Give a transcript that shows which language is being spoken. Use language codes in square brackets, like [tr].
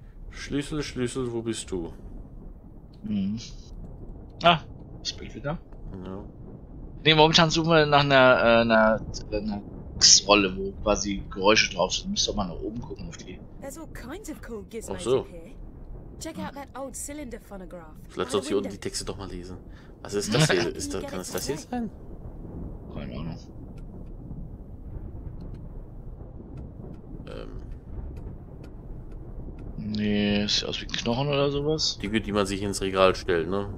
[de] Schlüssel, wo bist du? Das Bild wieder. Ja. Nee, momentan suchen wir nach einer X-Rolle, wo quasi Geräusche drauf sind. Müsst doch mal nach oben gucken auf die. Ach so. [en] Check out that old cylinder phonograph. [de] Vielleicht sollte ich unten die Texte doch mal lesen. Was ist das hier? Kann es das hier sein? Keine Ahnung. Nee, sieht aus wie ein Knochen oder sowas. Die man sich ins Regal stellt, ne?